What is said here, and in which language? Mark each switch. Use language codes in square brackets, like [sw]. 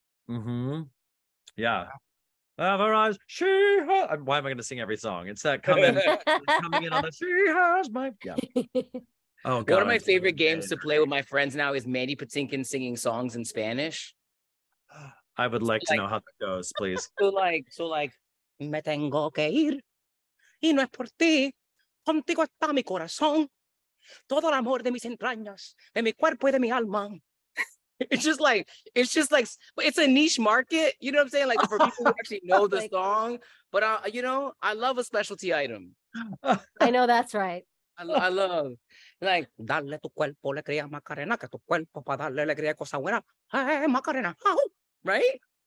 [en] Mm-hmm. Yeah. Have her eyes. She has. Why am I going to sing every song? It's that coming, coming in on the she has my. Yeah. Oh, God. One of my favorite games to play with my friends now is Mandy Patinkin singing songs in Spanish. I would like to know how that goes, please. [es] So, me tengo que ir, y no es por ti, contigo está mi corazón, todo el amor de mis entrañas, de mi cuerpo y de mi alma. [en] It's just like, it's a niche market, you know what I'm saying? Like, for people who actually know the song, but, you know, I love a specialty item. I know, that's right. I love, like, [es] dale tu cuerpo alegría, Macarena, que tu cuerpo para darle alegría, cosa buena, hey, Macarena, [en] right?